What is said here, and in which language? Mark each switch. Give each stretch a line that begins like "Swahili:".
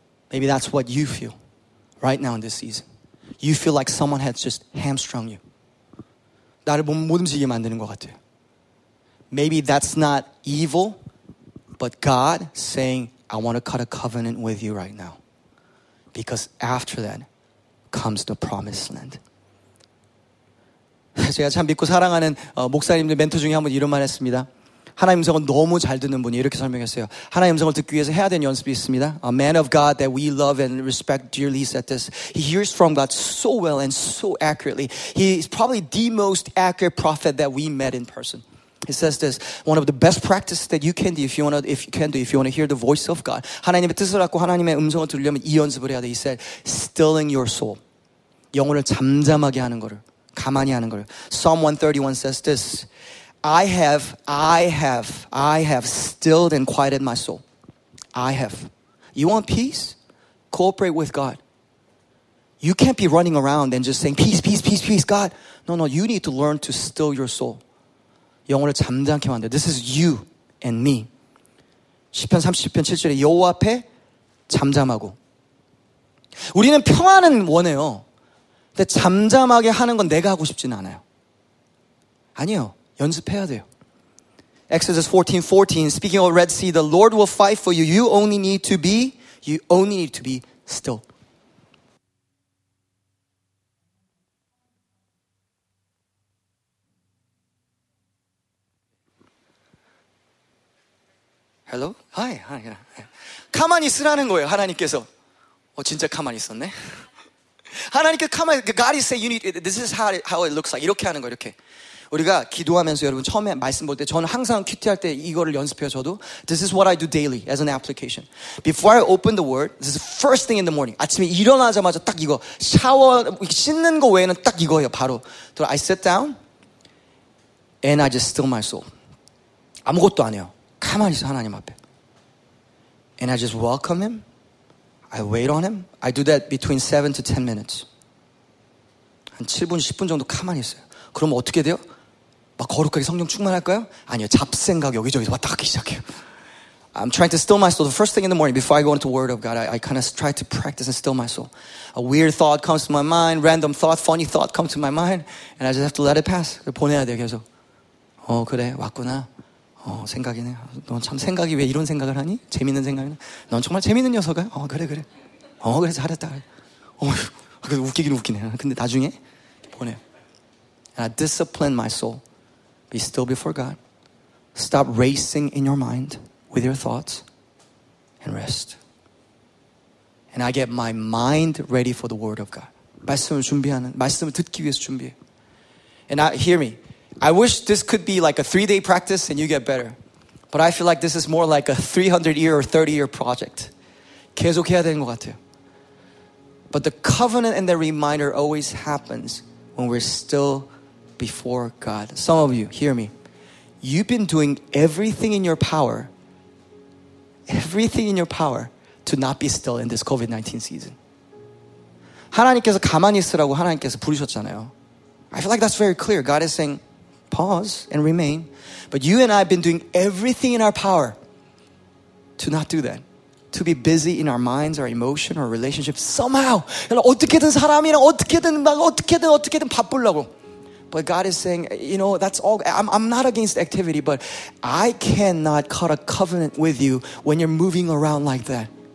English: Maybe that's what you feel right now in this season. You feel like someone has just hamstrung you.
Korean: 나를 못 움직이게 만드는 것 같아요.
English: Maybe that's not evil, but God saying, I want to cut a covenant with you right now. Because after that comes the promised land.
Korean: 제가 참 믿고 사랑하는 목사님들 멘토 중에 한 분 이런 말 했습니다. 하나님 음성을 너무 잘 듣는 분이 이렇게 설명했어요. 하나님 음성을 듣기 위해서 해야 되는 연습이 있습니다.
English: A man of God that we love and respect dearly said this. He hears from God so well and so accurately. He is probably the most accurate prophet that we met in person. He says this, one of the best practices that you can do if you want to, if you want to hear the voice of God.
Korean: 하나님의 뜻을 알고 하나님의 음성을 들으려면 이 연습을 해야 돼.
English: He said, stilling your soul.
Korean: 영혼을 잠잠하게 하는 거를, 가만히 하는 거를.
English: Psalm 131 says this, I have stilled and quieted my soul. I have. You want peace? Cooperate with God. You can't be running around and just saying, peace, peace, peace, peace, God. No, no, you need to learn to still your soul.
Korean: 영혼을 잠잠케 만들어.
English: This is you and me.
Korean: 시편 30편 7절에 여호와 앞에 잠잠하고. 우리는 평안은 원해요. 근데 잠잠하게 하는 건 내가 하고 싶진 않아요. 아니요. 연습해야 돼요.
English: Exodus 14:14. Speaking of Red Sea, the Lord will fight for you. You only need to be still. 헬로? 하이.
Korean: 가만히 있으라는 거예요. 하나님께서. 어 진짜 가만히 있었네. 하나님께 가만히.
English: God is saying, you need, this is how it looks like.
Korean: 이렇게 하는 거예요. 이렇게. 우리가 기도하면서 여러분 처음에 말씀 볼 때 저는 항상 큐티할 때 이거를 연습해요. 저도.
English: This is what I do daily as an application. Before I open the word, this is the first thing in the morning.
Korean: 아침에 일어나자마자 딱 이거. 샤워, 씻는 거 외에는 딱 이거예요. 바로.
English: So I sit down and I just still my soul.
Korean: 아무것도 안 해요. 가만히 있어 하나님 앞에.
English: And I just welcome him. I wait on him. I do that between 7 to 10 minutes.
Korean: 한 7분, 10분 정도 가만히 있어요. 그러면 어떻게 돼요? 막 거룩하게 성령 충만할까요? 아니요. 잡생각 여기저기서 왔다 갔기 시작해요.
English: I'm trying to still my soul. The first thing in the morning before I go into the word of God, I kind of try to practice and still my soul. A weird thought comes to my mind. Random thought, funny thought comes to my mind. And I just have to let it pass.
Korean: 보내야 돼요 계속. 어 그래 왔구나. 어 생각이네. 넌 참 생각이 왜 이런 생각을 하니? 재밌는 생각이네. 넌 정말 재밌는 녀석아. 어 그래 그래. 어 그래 잘했다. 어휴, 웃기긴 웃기네. 근데 나중에 보내.
English: And I discipline my soul. Be still before God. Stop racing in your mind with your thoughts and rest. And I get my mind ready for the word of God.
Korean: 말씀을 준비하는, 말씀을 듣기 위해서 준비해.
English: And I, hear me. I wish this could be like a 3-day practice and you get better. But I feel like this is more like a 300-year or 30-year project.
Korean: 계속해야 되는 것 같아요.
English: But the covenant and the reminder always happens when we're still before God. Some of you, hear me. You've been doing everything in your power to not be still in this COVID-19 season.
Korean: 하나님께서 가만히 있으라고 하나님께서 부르셨잖아요.
English: I feel like that's very clear. God is saying, pause and remain. But you and I have been doing everything in our power to not do that. To be busy in our minds, our emotion, our relationships. Somehow.
Korean: 어떻게든 사람이랑 어떻게든 바쁘려고.
English: But God is saying, you know, that's all. I'm not against activity, but I cannot cut a covenant with you when you're moving around like that.